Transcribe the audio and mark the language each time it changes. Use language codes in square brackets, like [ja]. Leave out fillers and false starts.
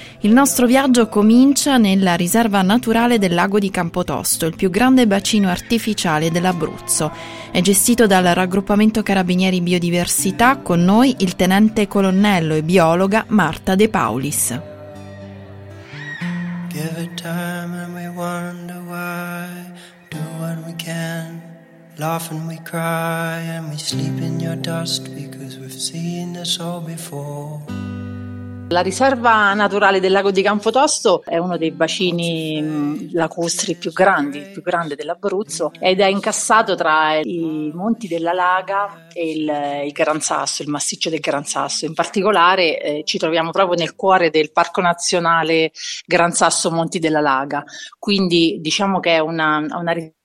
[it] Il nostro viaggio comincia nella riserva naturale del lago di Campotosto, il più grande bacino artificiale dell'Abruzzo. È gestito dal raggruppamento Carabinieri Biodiversità, con noi il tenente colonnello e biologa Marta De Paulis. [en] Give it time and we wonder why, do what we can, laugh and we cry and we sleep in your dust because we've seen this all before. [it] La riserva naturale del lago di Campotosto è uno dei bacini lacustri più grandi, il più grande dell'Abruzzo, ed è incassato tra i Monti della Laga e il Gran Sasso, il massiccio del Gran Sasso. In particolare ci troviamo proprio nel cuore del Parco Nazionale Gran Sasso Monti della Laga, quindi diciamo che è una riserva